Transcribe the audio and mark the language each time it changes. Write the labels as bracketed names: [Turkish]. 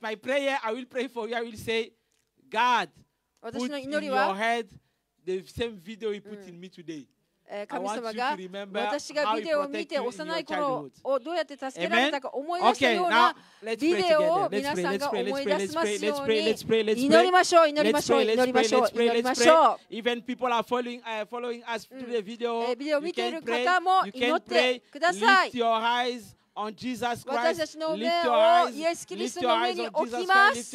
[English] My prayer, I will pray for you. I will say, God, put in your head the same video you put in me today. [Japanese] 神様が私がビデオを見て幼い頃をどうやって助けられたか思い出したようなビデオを皆さんが思い出しますように祈りましょう、祈りましょう、祈りましょう、祈りましょう。 [English] Even people are following us through the video. [Japanese] ビデオを見ている方も祈ってください。 [English] Lift your eyes on Jesus Christ. [Japanese] 私たちの目をイエス・キリストの上に置きます。